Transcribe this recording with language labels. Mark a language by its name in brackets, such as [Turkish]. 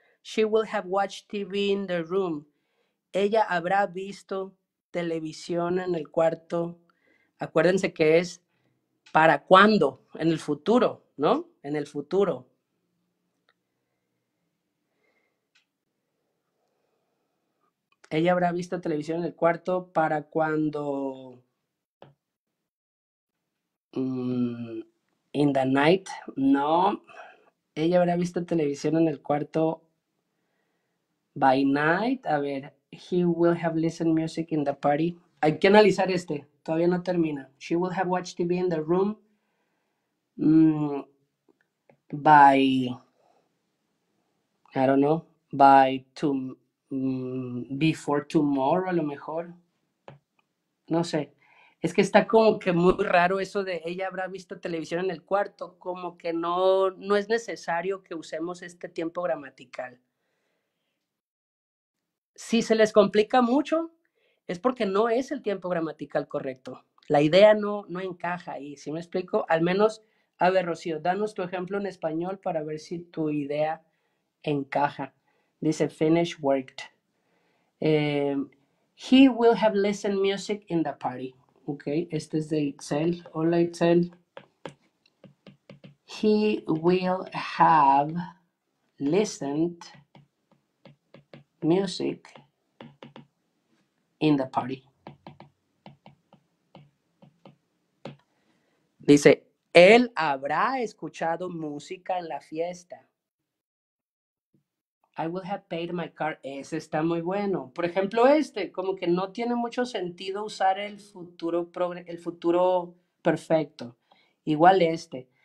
[English] She will have watched TV in the room. [Spanish] Ella habrá visto televisión en el cuarto. Acuérdense que es para cuándo, en el futuro, ¿no? En el futuro. Ella habrá visto televisión en el cuarto para cuando [English] in the night. [Spanish] No, ella habrá visto televisión en el cuarto [English] by night. [Spanish] A ver, [English] he will have listened music in the party. [Spanish] Hay que analizar este, todavía no termina. [English] She will have watched TV in the room by, I don't know, by two. Before tomorrow, [Spanish] a lo mejor. No sé. Es que está como que muy raro eso de ella habrá visto televisión en el cuarto. Como que no es necesario que usemos este tiempo gramatical. Si se les complica mucho, es porque no es el tiempo gramatical correcto. La idea no encaja ahí. ¿Sí me explico? Al menos, a ver, Rocío, danos tu ejemplo en español para ver si tu idea encaja. Dice, [English] finish worked. He will have listened music in the party. [Spanish] Ok, este es de Itzel. Hola, Itzel. [English] He will have listened music in the party. [Spanish] Dice, él habrá escuchado música en la fiesta. [English] I will have paid my car. [Spanish] Ese está muy bueno. Por ejemplo, este, como que no tiene mucho sentido usar el futuro perfecto. Igual este.